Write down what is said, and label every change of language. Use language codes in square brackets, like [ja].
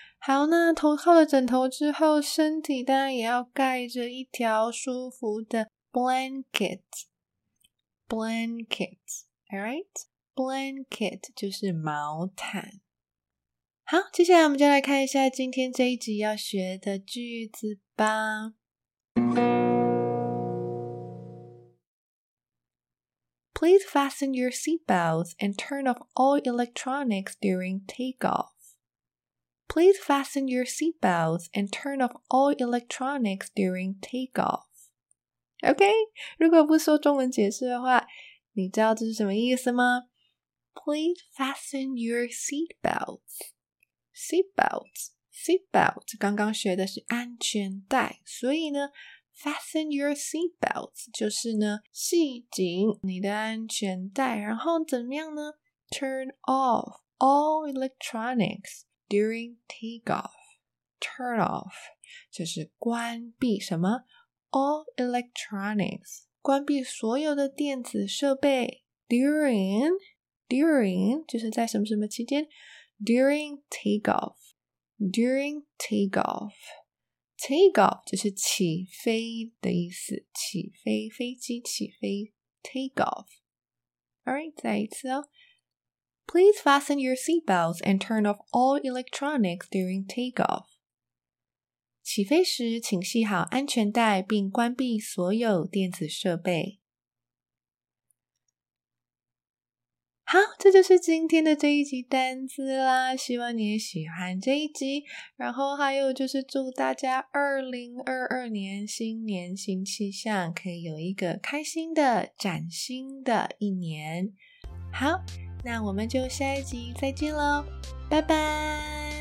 [zh] 好，那头靠了枕头之后，身体当然也要盖着一条舒服的 blanket， blanket， alright， blanket 就是毛毯。好，接下来我们就来看一下今天这一集要学的句子吧。 [en] Please fasten your seatbelts and turn off all electronics during takeoff. Please fasten your seatbelts and turn off all electronics during takeoff. [zh] OK， 如果不说中文解释的话，你知道这是什么意思吗？ [en] Please fasten your seatbelts. [zh] Seatbelt 刚刚学的是安全带，所以呢 [en] fasten your seatbelt [zh] 就是呢系紧你的安全带，然后怎么样呢？ [en] turn off all electronics during takeoff， turn off [zh] 就是关闭什么？ [en] all electronics， [zh] 关闭所有的电子设备。 during 就是在什么什么期间， [en] During takeoff， during takeoff， [zh] takeoff 就是起飞的意思，起飞，飞机起飞， takeoff。 Alright， 再一次哦。 [en] Please fasten your seatbelts and turn off all electronics during takeoff. [zh] 起飞时请系好安全带并关闭所有电子设备。好，这就是今天的这一集单字啦，希望你也喜欢这一集。然后还有就是祝大家2022年新年新气象，可以有一个开心的崭新的一年。好，那我们就下一集再见咯，拜拜。